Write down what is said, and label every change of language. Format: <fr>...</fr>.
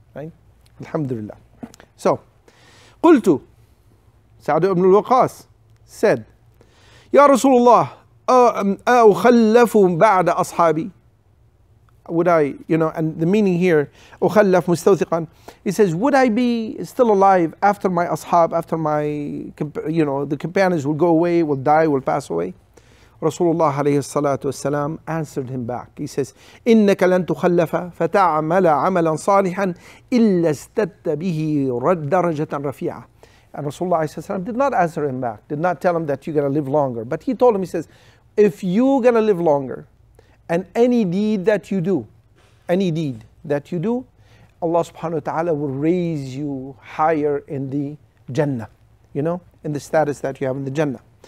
<en>Right? Alhamdulillah. So, Qultu, Sa'd ibn al-Waqas said, Ya Rasulullah,</en> <ar>أخلف بعد أصحابي.</ar> <en>Would I, you know, and the meaning here,</en> <ar>أخلف مستوثقاً,</ar> <en>he says, would I be still alive after my ashab, after my, you know, the companions will go away, will die, will pass away? Rasulullah عليه الصلاة والسلام answered him back. He says,</en> <ar>إنك لن تخلف فتعمل عملا صالحا إلا استدت به درجة رفيعة.</ar> <en>And Rasulullah did not answer him back, did not tell him that you're going to live longer. But he told him, he says, if you're going to live longer, and any deed that you do, Allah subhanahu wa ta'ala will raise you higher in the Jannah, you know, in the status that you have in the Jannah.</en>